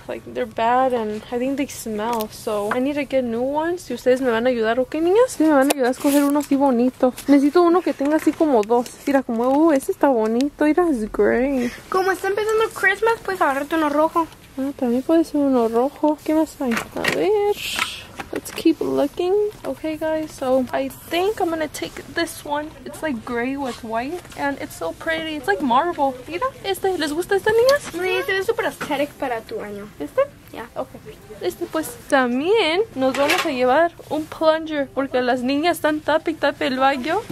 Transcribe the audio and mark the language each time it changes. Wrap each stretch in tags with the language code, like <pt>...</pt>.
<en>Like, they're bad and I think they smell. So, I need to get new ones.</en> <es>Si ustedes me van a ayudar, ¿ok, niñas? Sí, me van a ayudar a escoger uno así bonito. Necesito uno que tenga así como dos. Mira, como, ese está bonito. Mira, es gray. Como está empezando Christmas, puedes agarrarte uno rojo. Ah, también puede ser uno rojo. ¿Qué más hay? A ver...</es> <en>Let's keep looking. Okay, guys, so I think I'm gonna take this one. It's like gray with white, and it's so pretty. It's like marble.</en> <es>Mira, este. ¿Les gusta este, niñas? Sí, este es super aesthetic para tu año. ¿Este?</es> <en>Yeah.</en> <es>Okay. Este, pues, también nos vamos a llevar un plunger, porque las niñas están tape y tape el baño.</es>